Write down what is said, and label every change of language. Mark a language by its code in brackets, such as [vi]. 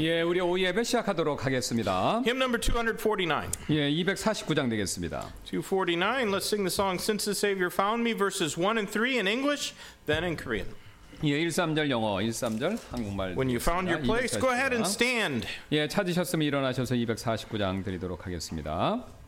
[ko] 예, 우리 오후 예배 시작하도록 하겠습니다. [en] Hymn number 249. [ko] 예, 249장 되겠습니다. [en] 249. Let's sing the song "Since the Savior Found Me" verses 1 and 3 in English, then in Korean. [ko] 예, 13절 영어, 13절 한국말. [en] When you found your place, 249장. Go ahead and stand. [ko] 예, 찾으셨으면 일어나셔서 249장 드리도록 하겠습니다.